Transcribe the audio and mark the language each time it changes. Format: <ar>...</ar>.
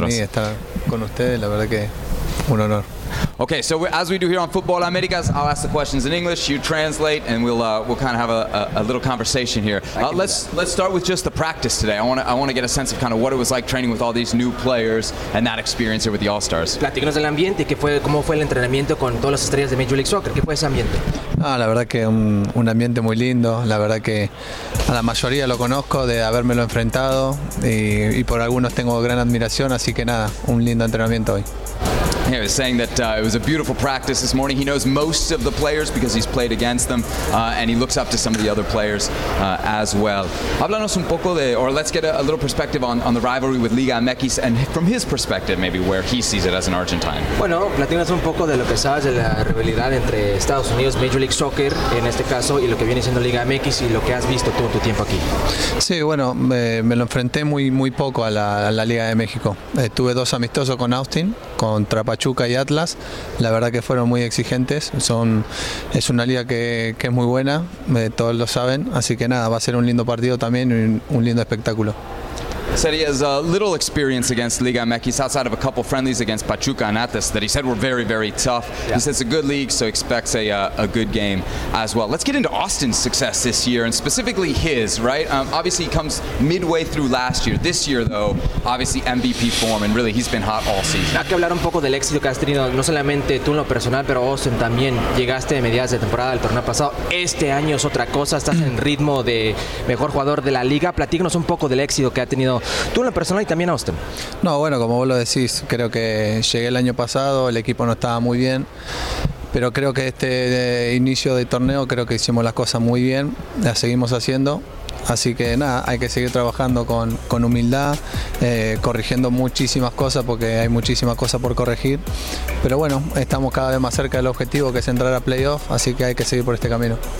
<es>Para mí estar con ustedes, la verdad que un honor.</es> <en>Okay, so as we do here on Futbol Americas, I'll ask the questions in English, you translate, and we'll kind of have a little conversation here. Let's start with just the practice today. I want to get a sense of kind of what it was like training with all these new players and that experience here with the All-Stars.</en> <es>Platícanos del ambiente y cómo fue el entrenamiento con todas las estrellas de Major League Soccer. ¿Qué fue ese ambiente? Ah, la verdad que un ambiente muy lindo. La verdad que a la mayoría lo conozco de habérmelo enfrentado y por algunos tengo gran admiración, así que nada, un lindo entrenamiento hoy.</es> <en>He was saying that it was a beautiful practice this morning. He knows most of the players because he's played against them, and he looks up to some of the other players as well.</en> <es>Háblanos un poco de,</es> <en>or let's get a little perspective on the rivalry with Liga MX, and from his perspective, maybe where he sees it as an Argentine.</en> <es>Bueno, platícanos un poco de lo que sabes de la rivalidad entre Estados Unidos, Major League Soccer, en este caso, y lo que viene siendo Liga MX y lo que has visto tú en tu tiempo aquí. Sí, bueno, me lo enfrenté muy poco a la Liga de México. Tuve dos amistosos con Austin, contra Pachuca y Atlas, la verdad que fueron muy exigentes, es una liga que es muy buena, todos lo saben, así que nada, va a ser un lindo partido también, un lindo espectáculo.</es> <en>Said he has little experience against Liga MX outside of a couple friendlies against Pachuca and Atlas that he said were very, very tough. Yeah. He says it's a good league, so expects a good game as well. Let's get into Austin's success this year, and specifically his, right? Obviously, he comes midway through last year. This year, though, obviously MVP form, and really, he's been hot all season.</en> <es>Hay que hablar un poco del éxito que has tenido, no solamente tú en lo personal, pero Austin también. Llegaste a mediados de temporada del torneo pasado. Este año es otra cosa. Estás en ritmo de mejor jugador de la liga. Platícanos un poco del éxito que ha tenido tú en lo personal y también a Austin. No, bueno, como vos lo decís, creo que llegué el año pasado, el equipo no estaba muy bien, pero creo que este inicio de torneo creo que hicimos las cosas muy bien, las seguimos haciendo, así que nada, hay que seguir trabajando con humildad, corrigiendo muchísimas cosas porque hay muchísimas cosas por corregir, pero bueno, estamos cada vez más cerca del objetivo que es entrar a playoff, así que hay que seguir por este camino.</es>